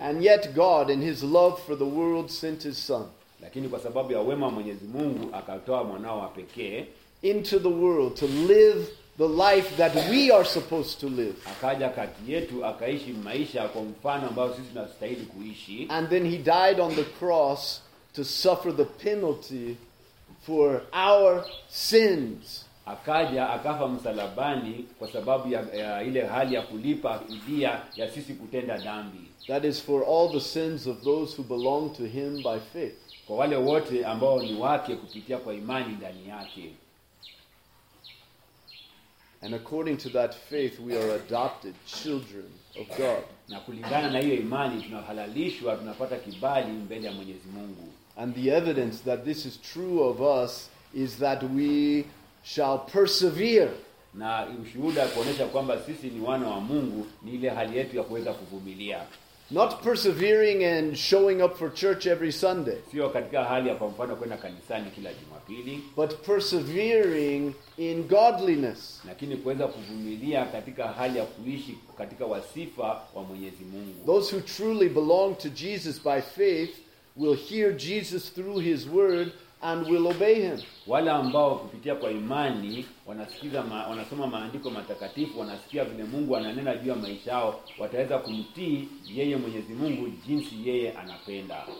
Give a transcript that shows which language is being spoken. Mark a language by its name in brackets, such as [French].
[English] And yet God in his love for the world sent his son. [Swahili] Lakini kwa sababu ya wema wa Mwenyezi Mungu akatoa mwanao wa pekee [English] into the world to live the life that we are supposed to live. [Swahili] Akaja kati yetu akaishi maisha kwa mfano ambao sisi tunastahili kuishi. [English] And then he died on the cross to suffer the penalty for our sins. [Swahili] Akaja akafa msalabani kwa sababu ya ile hali ya kulipa fidia ya sisi kutenda dhambi. [English] That is for all the sins of those who belong to him by faith. [Swahili] Kwa wale wote ambao ni wake kupitia kwa imani ndani yake. [English] And according to that faith, we are adopted children of God. [Swahili] Na kulingana na hiyo imani, tunahalalishwa, tunapata kibali mbele ya Mwenyezi Mungu. [English] And the evidence that this is true of us is that we shall persevere. [Swahili] Na ushuhuda kuonesha kwamba sisi ni wana wa Mungu, ni ile hali yetu ya kuweza kuvumilia. [English] Not persevering and showing up for church every Sunday. [Swahili] Sio katika hali ya kwa mfano kwenda kanisani kila Jumapili. [English] But persevering in godliness. [Swahili] Lakini kuweza kuvumilia katika hali ya kuishi katika wasifa wa Mwenyezi Mungu. [English] Those who truly belong to Jesus by faith will hear Jesus through his word and will obey him. [Swahili] Wale ambao kupitia kwa imani wanasikiza wanasoma maandiko matakatifu, wanasikia vile Mungu ananena juu ya maisha yao, wataweza kumtii yeye Mwenyezi Mungu jinsi yeye anapenda.